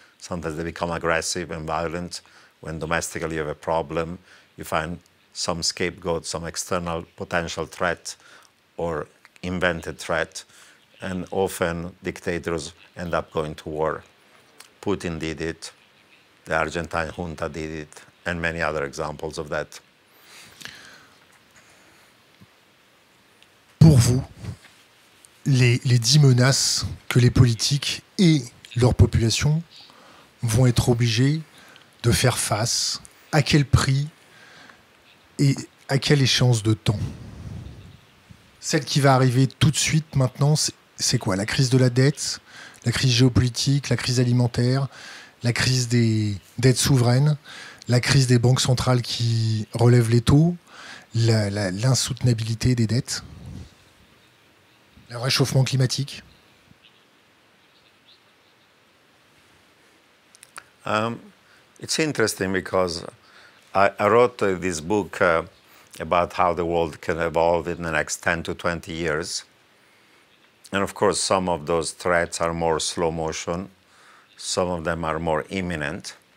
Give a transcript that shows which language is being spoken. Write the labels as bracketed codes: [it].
[en] Sometimes they become aggressive and violent. When domestically you have a problem, you find some scapegoat, some external potential threat or invented threat. And often dictators end up going to war. Putin did it, the Argentine junta did it, and many other examples of that. [fr] Vous, les 10 menaces que les politiques et leur population vont être obligés de faire face, à quel prix et à quelle échéance de temps? Celle qui va arriver tout de suite, maintenant, c'est quoi? La crise de la dette, la crise géopolitique, la crise alimentaire, la crise des dettes souveraines, la crise des banques centrales qui relèvent les taux, l'insoutenabilité des dettes, le réchauffement climatique. [en] It's interesting because I wrote this book about how the world can evolve in the next 10 to 20 years. And of course, some of those threats are more slow motion. Some of them are more imminent.